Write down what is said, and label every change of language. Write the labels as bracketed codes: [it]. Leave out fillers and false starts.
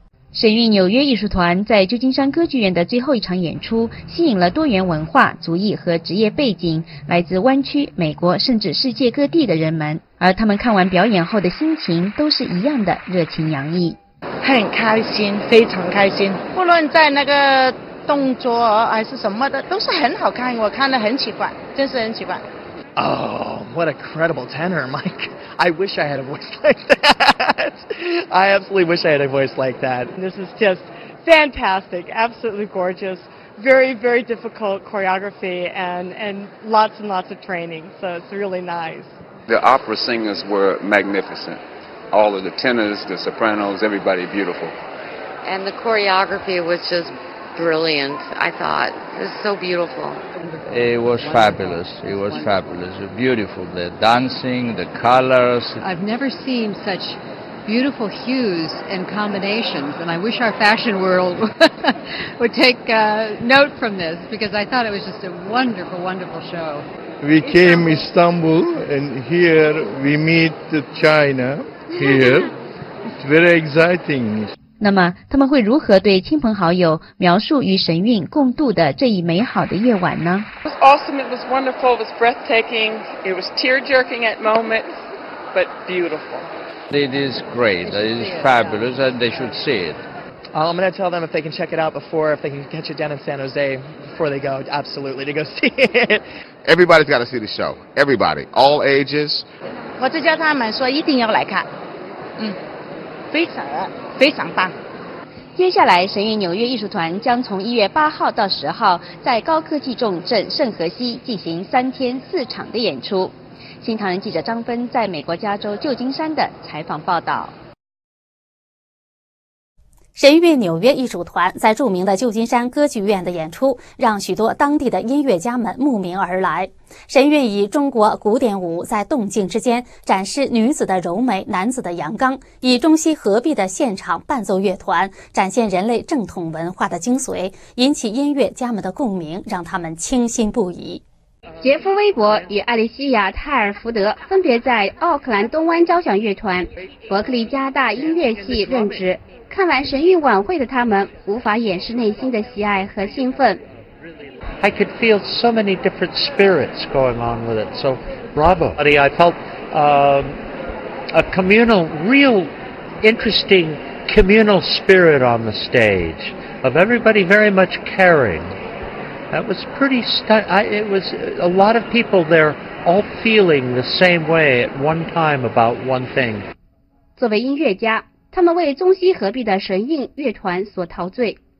[zh] 神韵纽约艺术团在旧金山歌剧院的最后一场演出吸引了多元文化、族裔和职业背景，来自湾区、美国甚至世界各地的人们，而他们看完表演后的心情都是一样的热情洋溢。很开心，非常开心，不论在那个动作还是什么的都是很好看，我看得很喜欢，真是很喜欢。 [en] Oh, what a credible tenor, Mike. I wish I had a voice like that. I absolutely wish I had a voice like that. This is just fantastic, absolutely gorgeous, very, very difficult choreography and lots of training, so it's really nice. The opera singers were magnificent. All of the tenors, the sopranos, everybody beautiful. And the choreography was just brilliant, I thought. It was so beautiful. It was fabulous. It was fabulous. Beautiful, the dancing, the colors. I've never seen such beautiful hues and combinations, and I wish our fashion world would take note from this, because I thought it was just a wonderful, wonderful show. We came to Istanbul, and here we meet China, here. It's very exciting. [zh] 那么他们会如何对亲朋好友描述与神韵共度的这一美好的夜晚呢？ [en] It was awesome, it was wonderful, it was breathtaking, it was tear-jerking at moments, but beautiful. It is great. It is fabulous, and they should see it. I'm going to tell them if they can check it out before, if they can catch it down in San Jose before they go, absolutely, to go see it. Everybody's got to see the show. Everybody. All ages. [zh] 我就叫他们说一定要来看。非常非常棒。接下来神韵纽约艺术团将从1月8号到10号在高科技重镇圣荷西进行3天4场的演出。新唐人记者张芬在美国加州旧金山的采访报道。神韵纽约艺术团在著名的旧金山歌剧院的演出让许多当地的音乐家们慕名而来。神韵以中国古典舞在动静之间展示女子的柔美，男子的阳刚，以中西合璧的现场伴奏乐团展现人类正统文化的精髓，引起音乐家们的共鸣，让他们倾心不已。杰夫·威伯与艾丽西亚·泰尔福德分别在奥克兰东湾交响乐团、伯克利加大音乐系任职。看完神韵晚会的他们无法掩饰内心的喜爱和兴奋。 [en] I could feel so many different spirits going on with it, so bravo. I felt a communal, real interesting communal spirit on the stage of everybody very much caring. That was pretty it was a lot of people there all feeling the same way at one time about one thing. [zh] 作为音乐家，他们为中西合璧的神韵乐团所陶醉。